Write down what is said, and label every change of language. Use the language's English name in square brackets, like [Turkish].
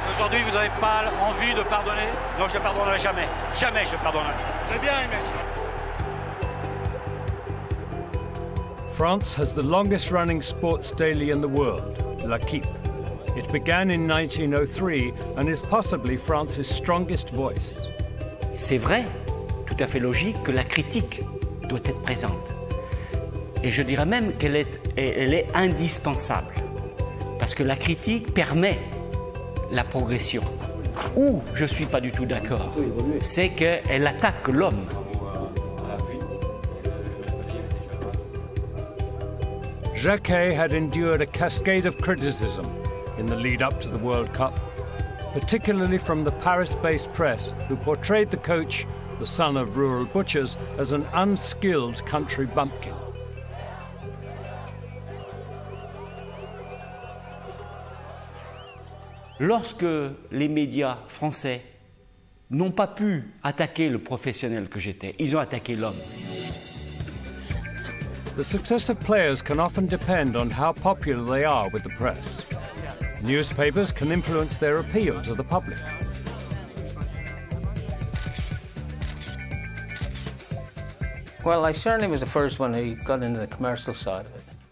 [French] Aujourd'hui, vous n'avez pas envie de pardonner? Non, je pardonnerai jamais. Jamais, je pardonnerai. Très bien, Aimé. [English] France has the longest running sports daily in the world, L'Équipe. It began in 1903 and is possibly France's strongest voice. [French] C'est vrai, tout à fait logique, que la critique doit être présente. Et je dirais même qu'elle est indispensable. Parce que la critique permet la progression. Où je ne suis pas du tout d'accord, c'est qu'elle attaque l'homme. [English] Jacquet had endured a cascade of criticism in the lead-up to the World Cup, particularly from the Paris-based press, who portrayed the coach, the son of rural butchers, as an unskilled country bumpkin. [French] Lorsque les médias français n'ont pas pu attaquer le professionnel que j'étais, ils ont attaqué l'homme. [English] The success of players can often depend on how popular they are with the press. Newspapers can influence their appeal to the public. Well, I certainly was the first one who got into the commercial side of it.